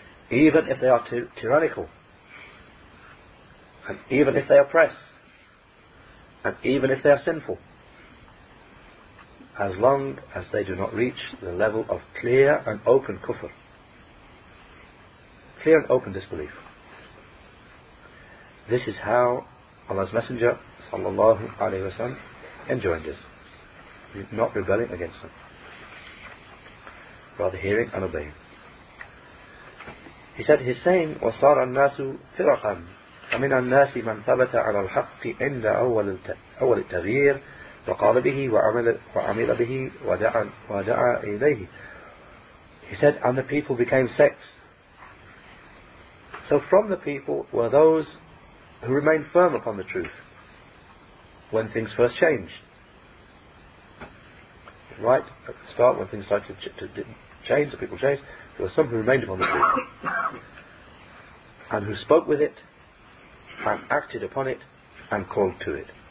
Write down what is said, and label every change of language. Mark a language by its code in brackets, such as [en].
[en] even if they are tyrannical, and even if they oppress, and even if they are sinful, as long as they do not reach the level of clear and open kufr, clear and open disbelief. This is how Allah's Messenger, sallallahu alayhi wa sallam, enjoined us, not rebelling against them, rather hearing and obeying. He said, he's saying, [ar] وَصَارَ النَّاسُ فِرَقًا فَمِنَ النَّاسِ مَنْ ثَبَتَ عَلَى الْحَقِّ عِنْدَ أَوَّلِ التَّغْيِيرِ وَقَالَ بِهِ وَعَمِلَ بِهِ وَدَعَى إِلَيْهِ. [en] He said, and the people became sects. So from the people were those who remained firm upon the truth when things first changed. Right at the start, when things started to change, the people changed, there were some who remained upon the truth, and who spoke with it, and acted upon it, and called to it.